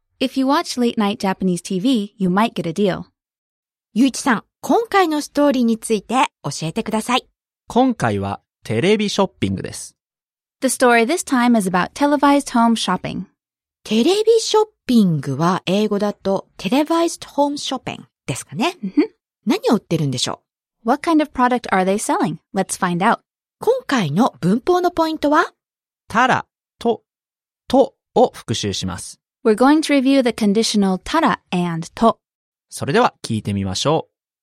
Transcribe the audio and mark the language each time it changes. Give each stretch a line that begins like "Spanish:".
English: If you watch late night Japanese TV, you might get a deal.
Japanese: ゆういちさん、今回のストーリーについて教えてください。今回はテレビショッピングです。
English: The story this time is about televised home shopping.
Japanese: テレビショッピングは英語だと
English: televised home shopping
Japanese: ですかね。何を売ってるんでしょう?
English: What kind of product are they selling? Let's find out.
Japanese: 今回の文法のポイントは? ただ。とを復習します。
English: We're going to review the conditional ただ and と。
Japanese: それでは聞いてみましょう。